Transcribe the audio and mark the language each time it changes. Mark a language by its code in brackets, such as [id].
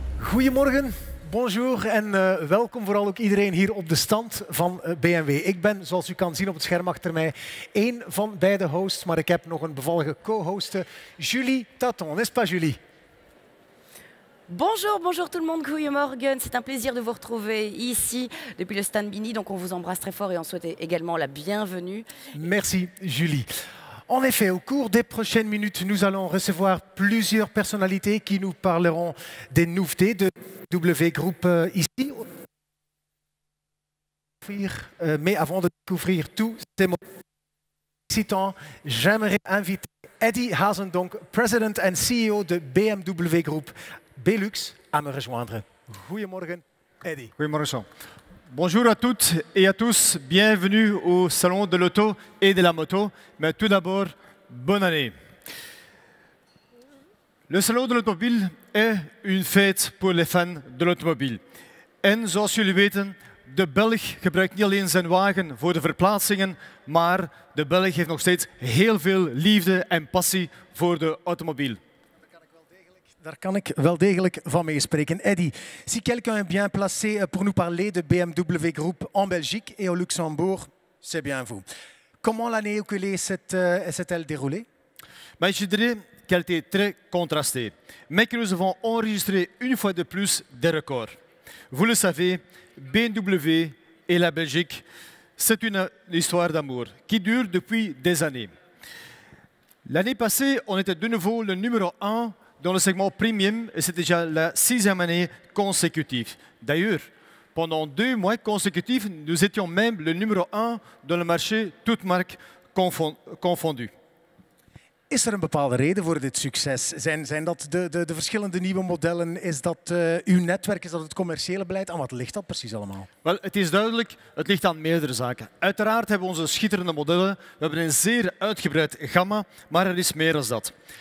[nl] Goedemorgen, [fr] bonjour [nl] en welkom vooral ook iedereen hier op de stand van BMW. Ik ben, zoals u kan zien op het scherm achter mij, één van beide hosts, maar ik heb nog een bevallige co-hoste, Julie Taton, [fr] n'est-ce pas Julie? Bonjour, bonjour tout le monde, [nl] goedemorgen. [fr] C'est un plaisir de vous retrouver ici, depuis le stand Bini. Donc on vous embrasse très fort et on souhaite également la bienvenue. Merci Julie. En effet, au cours des prochaines minutes, nous allons recevoir plusieurs personnalités qui nous parleront des nouveautés de W Group ici. Mais avant de découvrir tous ces mots, j'aimerais inviter Eddy Hazendonck, [en] President and CEO [fr] de BMW Group Belux, à me rejoindre. [nl] Goedemorgen, Eddy. Goedemorgen, Jean. [fr] Bonjour à toutes et à tous, bienvenue au salon de l'auto et de la moto, mais tout d'abord, bonne année. Le salon de l'automobile est une fête pour les fans de l'automobile. [nl] En zoals jullie weten, de Belg gebruikt niet alleen zijn wagen voor de verplaatsingen, maar de Belg heeft nog steeds heel veel liefde en passie voor de automobiel. Daar kan ik wel degelijk van meespreken. [fr] Eddy, si quelqu'un est bien placé pour nous parler de BMW Group en Belgique et au Luxembourg, c'est bien vous. Comment l'année écoulée s'est-elle déroulée? Ben, je dirais qu'elle était très contrastée, mais que nous avons enregistré une fois de plus des records. Vous le savez, BMW et la Belgique, c'est une histoire d'amour qui dure depuis des années. L'année passée, on était de nouveau le numéro 1 dans le segment premium, et c'est déjà la sixième année consécutive. D'ailleurs, pendant deux mois consécutifs, nous étions même le numéro 1 dans le marché, toutes marques confondues. [nl] Is er een bepaalde reden voor dit succes? Zijn dat de verschillende nieuwe modellen? Is dat uw netwerk? Is dat het commerciële beleid? Aan wat ligt dat precies allemaal? Wel, het is duidelijk, het ligt aan meerdere zaken. Uiteraard hebben we onze schitterende modellen. We hebben een zeer uitgebreid gamma, maar er is meer dan dat.